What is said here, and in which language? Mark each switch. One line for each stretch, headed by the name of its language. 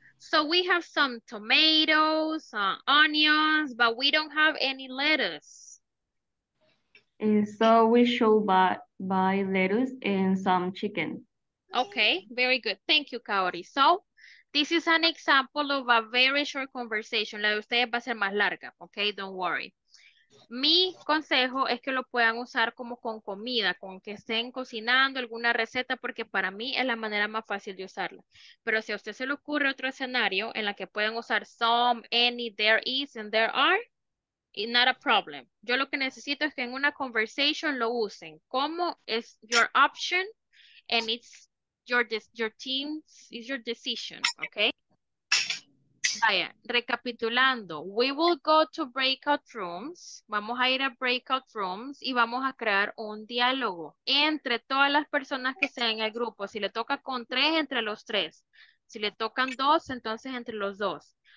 English: So we have some tomatoes, onions, but we don't have any lettuce. And so we should buy lettuce and some chicken. Okay. Very good. Thank you, Kaori. So this is an example of a very short conversation.
Spanish: La de ustedes va a ser más larga. Okay.
English: Don't worry.
Spanish: Mi consejo es que lo puedan usar como con comida, con que estén cocinando alguna receta, porque para mí es la manera más fácil de usarla. Pero si a usted se le ocurre otro escenario en la que pueden usar some, any, there is, and there are,
English: not a problem.
Spanish: Yo lo que necesito es que en una conversation lo usen. ¿Cómo es
English: your option? And it's your team's, is your decision, okay?
Spanish: Vaya, recapitulando,
English: we will go to breakout rooms,
Spanish: vamos a ir a breakout rooms y vamos a crear un diálogo entre todas las personas que estén en el grupo. Si le toca con tres, entre los tres. Si le tocan dos, entonces entre los dos.